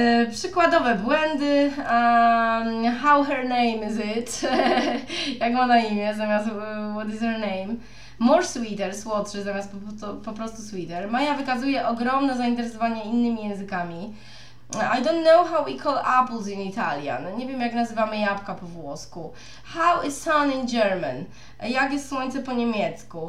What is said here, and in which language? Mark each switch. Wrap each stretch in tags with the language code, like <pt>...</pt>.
<pl>przykładowe błędy.</pl> <en>How her name is it?</en> <pl>Jak ma na imię zamiast</pl> <en>what is her name? More sweeter,</en> <pl>słodszy, zamiast po prostu</pl> <en>sweeter.</en> <pl>Maja wykazuje ogromne zainteresowanie innymi językami.</pl> <en>I don't know how we call apples in Italian.</en> <pl>Nie wiem, jak nazywamy jabłka po włosku.</pl> <en>How is sun in German?</en> <pl>Jak jest słońce po niemiecku?</pl>